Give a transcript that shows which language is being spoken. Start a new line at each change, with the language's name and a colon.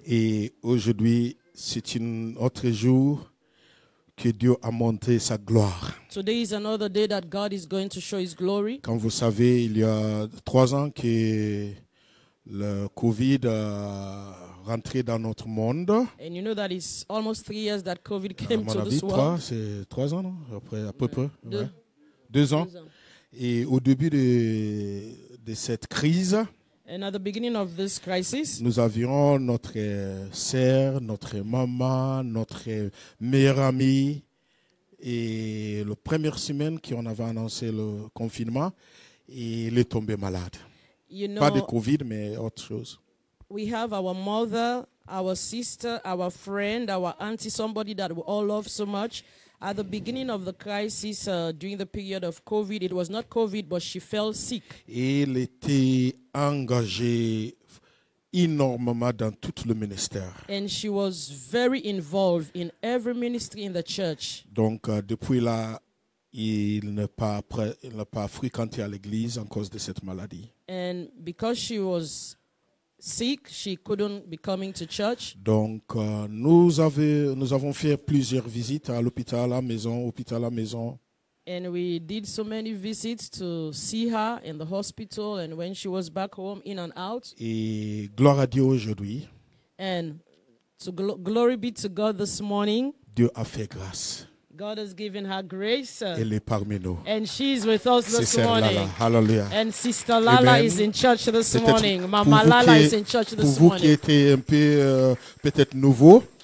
French: Et aujourd'hui, c'est un autre jour que Dieu a montré sa gloire.
English: Today is another day that God is going to show his glory.
French: Comme vous savez, il y a 3 ans que le COVID a rentré dans notre monde.
English: And you know that it's almost 3 years that COVID came
French: à mon
English: to
French: avis,
English: this world.
French: C'est 3 ans, non? Après, à peu près. Deux ans. Et au début de cette crise, and at the beginning of this crisis, nous avions notre sœur, notre maman, notre meilleure amie. Et la première semaine qu'on avait annoncé le confinement, il est tombé malade.
English: You know,
French: pas de COVID, mais autre chose.
English: We have our mother, our sister, our friend, our auntie, somebody that we all love so much. At the beginning of the crisis, during the period of COVID, it was not COVID, but she fell sick.
French: Elle était engagée énormément dans tout le ministère.
English: And she was very involved in every ministry in the church.
French: Donc, depuis là, il n'a pas fréquenté à l'église en cause de cette maladie.
English: And because she was sick, she couldn't be coming to church.
French: Donc, nous avons fait plusieurs visites à l'hôpital, à la maison, hôpital, à la maison.
English: And we did so many visits to see her in the hospital and when she was back home, in and out.
French: Et gloire à Dieu aujourd'hui.
English: And to glory be to God this morning.
French: Dieu a fait grâce.
English: God has given her grace.
French: Elle est parmi nous.
English: And she is with us this morning.
French: Lala. Hallelujah.
English: And Sister Lala is in church this morning. Mama Lala is in church this morning.
French: Pour vous qui êtes un peu peut-être nouveau.